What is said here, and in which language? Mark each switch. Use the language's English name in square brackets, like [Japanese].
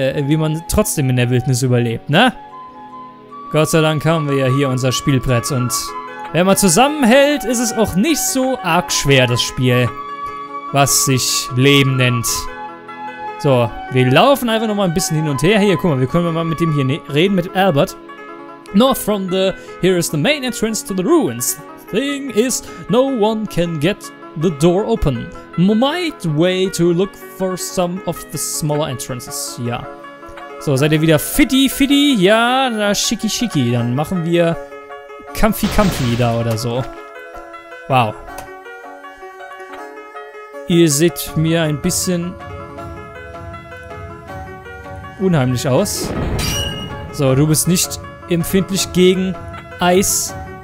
[German] wie man trotzdem in der Wildnis überlebt, ne? Gott sei Dank haben wir ja hier unser Spielbrett. Und wenn man zusammenhält, ist es auch nicht so arg schwer, das Spiel. Was sich Leben nennt. So, wir laufen einfach nochmal ein bisschen hin und her. Hier, guck mal, wir können mal mit dem hier reden, mit Albert. [English] North from the... Here is the main entrance to the ruins. Thing is, no one can get the door open. Might way to look for some of the smaller entrances. [German] Ja. So, seid ihr wieder fitty, fitty? Ja, na, schicki, schicki. Dann machen wir comfy, comfy da oder so. Wow. Ihr seht mir ein bisschen... unheimlich aus. So, du bist nicht empfindlich gegen Eis.